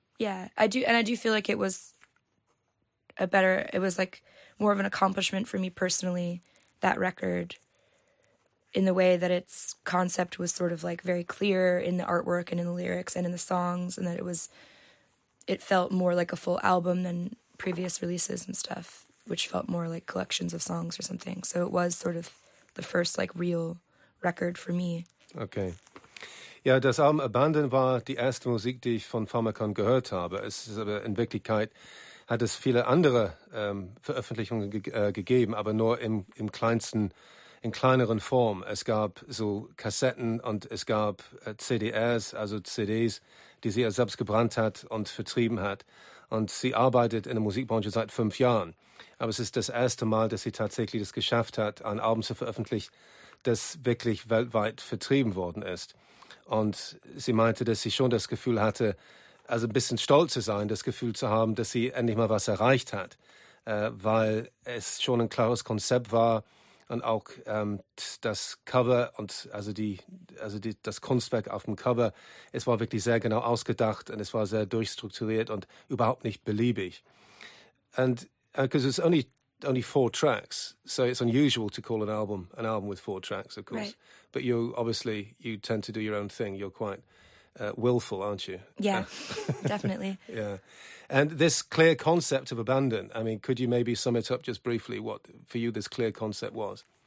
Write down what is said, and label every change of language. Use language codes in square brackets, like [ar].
[en] Yeah, I do, and I do feel like it was a better, it was like more of an accomplishment for me personally, that record, in the way that its concept was sort of like very clear in the artwork and in the lyrics and in the songs, and that it felt more like a full album than previous releases and stuff, which felt more like collections of songs or something. So it was sort of the first like real record for me. Okay. [de] Ja, das Album Abandon war die erste Musik, die ich von Pharmakon gehört habe. Es ist aber in Wirklichkeit hat es viele andere Veröffentlichungen gegeben, aber nur im kleinsten, in kleineren Form. Es gab so Kassetten und es gab CDs, also CDs, die sie ja selbst gebrannt hat und vertrieben hat. Und sie arbeitet in der Musikbranche seit 5 Jahren. Aber es ist das erste Mal, dass sie tatsächlich das geschafft hat, ein Album zu veröffentlichen, das wirklich weltweit vertrieben worden ist. Und sie meinte, dass sie schon das Gefühl hatte, also ein bisschen stolz zu sein, das Gefühl zu haben, dass sie endlich mal was erreicht hat, weil es schon ein klares Konzept war, und auch das Cover und das Kunstwerk auf dem Cover, es war wirklich sehr genau ausgedacht und es war sehr durchstrukturiert und überhaupt nicht beliebig. [en] And because it's only 4 tracks, so it's unusual to call an album with 4 tracks, of course. Right. But you tend to do your own thing. You're quite willful, aren't you? Yeah, definitely. Yeah. And this clear concept of Abandon, I mean, could you maybe sum it up just briefly what, for you, this clear concept was?